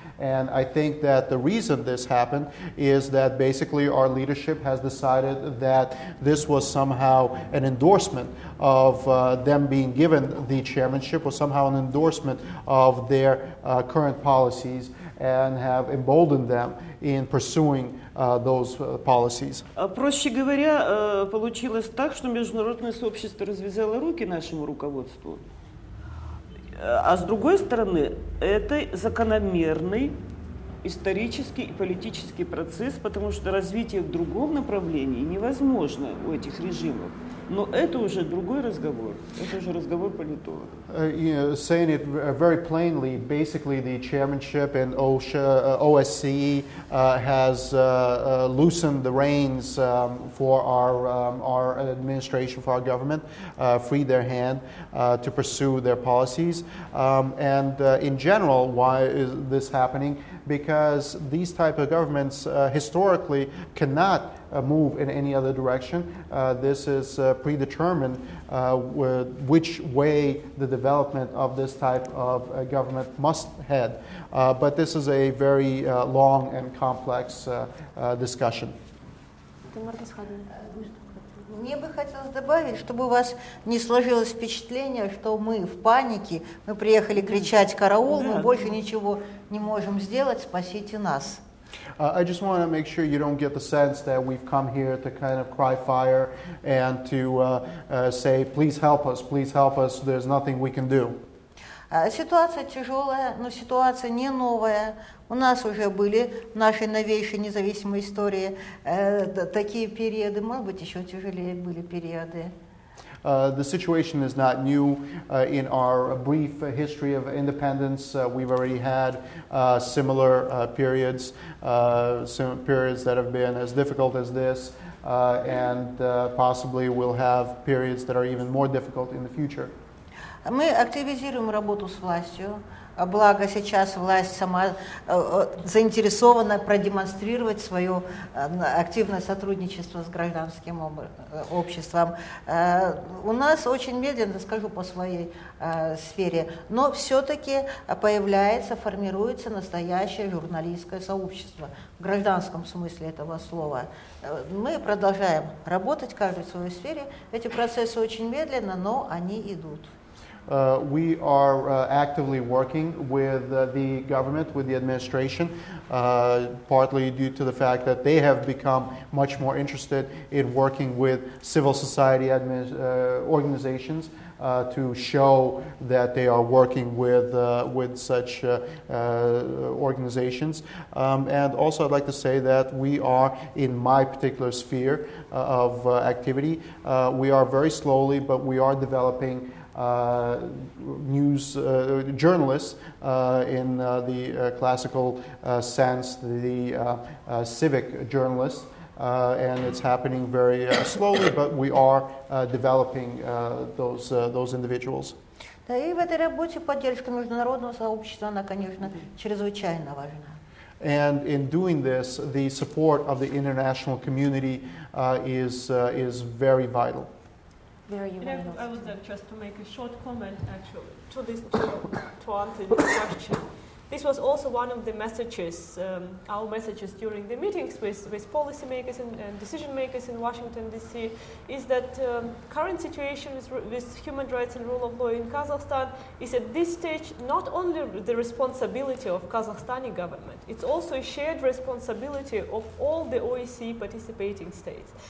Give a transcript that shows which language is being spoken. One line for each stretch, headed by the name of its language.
English: And I think that the reason this happened is that basically our leadership has decided that this was somehow an endorsement of them being given the chairmanship, was somehow an endorsement of their current policies, and have emboldened them in pursuing those policies.
Russian: Проще говоря, получилось так, что международное сообщество развязало руки нашему руководству. А с другой стороны, это закономерный исторический и политический процесс, потому что развитие в другом направлении невозможно у этих режимов. Но это уже другой разговор. Это уже разговор политолога.
English: Saying it very plainly, basically the chairmanship and OSCE has loosened the reins for our administration, for our government, freed their hand to pursue their policies. In general, why is this happening? Because these type of governments historically cannot move in any other direction. This is predetermined which way the development of this type of government must head. But this is a very long and complex discussion.
Russian: Мне бы хотелось добавить, чтобы у вас не сложилось впечатление, что мы в панике, мы приехали кричать «караул», мы больше ничего не можем сделать, спасите нас.
English: I just want to make sure you don't get the sense that we've come here to kind of cry fire and to say, please help us, there's nothing we can do.
Russian: Ситуация тяжелая, но ситуация не новая. У нас уже были в нашей новейшей независимой истории такие периоды, может быть, еще тяжелее были периоды.
English: The situation is not new in our brief history of independence. We've already had similar periods, periods that have been as difficult as this, possibly we'll have periods that are even more difficult in the future.
Russian: Мы активизируем работу с властью. Благо сейчас власть сама заинтересована продемонстрировать свое активное сотрудничество с гражданским обществом. У нас очень медленно, скажу по своей сфере, но все-таки появляется, формируется настоящее журналистское сообщество в гражданском смысле этого слова. Мы продолжаем работать каждый в своей сфере. Эти процессы очень медленно, но они идут.
English: We are actively working with the government, with the administration, partly due to the fact that they have become much more interested in working with civil society organizations to show that they are working with such organizations. And also I'd like to say that we are, in my particular sphere of activity, we are very slowly, but we are developing news journalists in the classical sense, the civic journalists, and it's happening very slowly, but we are developing those individuals.
Russian: Да, и в этой работе поддержка международного сообщества, она, конечно, чрезвычайно важна.
English: And in doing this, the support of the international community is very vital. I would like just to make a short comment, actually, to answer your question. This was also one of the messages, our messages during the meetings with policymakers and decision makers in Washington, D.C., is that current situation with human rights and rule of law in Kazakhstan is at this stage not only the responsibility of Kazakhstani government, it's also a shared responsibility of all the OSCE participating states.